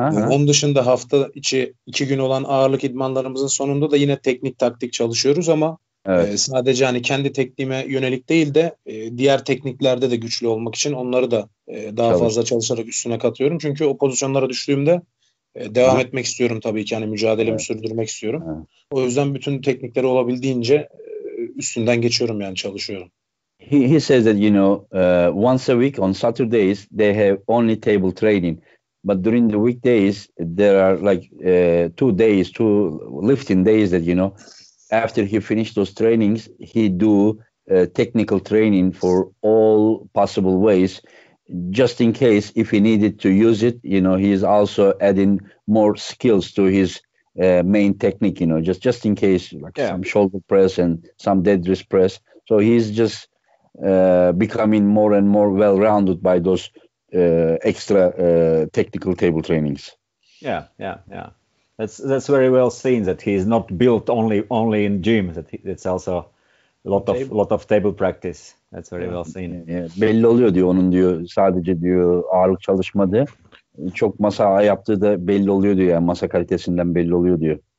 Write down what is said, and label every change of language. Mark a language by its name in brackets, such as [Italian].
[Turkish] Onun dışında hafta içi iki gün olan ağırlık idmanlarımızın sonunda da yine teknik taktik çalışıyoruz ama sadece hani kendi tekniğime yönelik değil de diğer tekniklerde de güçlü olmak için onları da daha fazla çalışarak üstüne katıyorum. Çünkü o pozisyonlara düştüğümde devam etmek istiyorum tabii ki. Hani mücadelemi sürdürmek istiyorum. O yüzden bütün teknikleri olabildiğince üstünden geçiyorum yani çalışıyorum. [English] He says that, you know, once a week on Saturdays, they have only table training. But during the weekdays, there are like two lifting days that, you know, after he finished those trainings, he do technical training for all possible ways, just in case if he needed to use it, you know, he is also adding more skills to his main technique, you know, just in case, like some shoulder press and some dead wrist press. So he's just becoming more and more well-rounded by those extra technical table trainings. Yeah. That's very well seen that he's not built only in gym. It's also a lot of table practice. That's very well seen. Yeah. [Turkish] Belli oluyor diyor onun diyor sadece diyor ağırlık çalışmadı. Çok masa yaptığı da belli oluyor diyor yani masa kalitesinden belli oluyor diyor.